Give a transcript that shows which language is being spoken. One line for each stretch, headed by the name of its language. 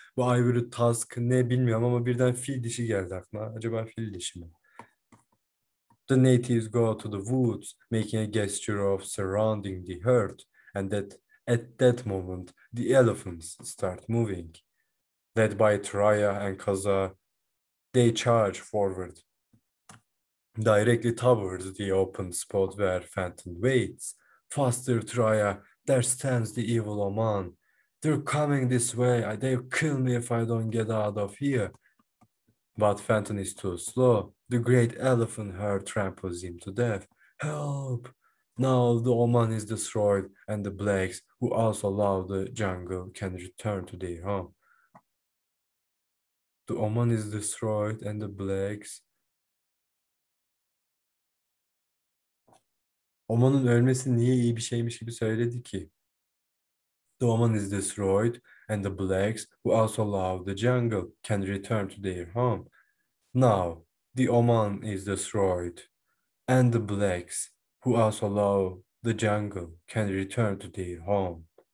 Turkish: Bu ivory tusk ne bilmiyorum ama birden fil dişi geldi aklıma. Acaba fil dişi mi?
English: The natives go to the woods, making a gesture of surrounding the herd. And that at that moment, the elephants start moving. Led by Triya and Kaza, they charge forward. Directly towards the open spot where Fenton waits. Faster, Triya, there stands the evil Oman. They're coming this way. They'll kill me if I don't get out of here. But Fenton is too slow. The great elephant herd tramples him to death. Help! Now the Oman is destroyed and the blacks, who also love the jungle, can return to their home. The Oman is destroyed and the blacks...
Turkish: Oman'ın ölmesi niye iyi bir şeymiş gibi söyledi ki?
English: The Oman is destroyed and the blacks, who also love the jungle, can return to their home. Now, the Oman is destroyed and the blacks, who also love the jungle, can return to their home.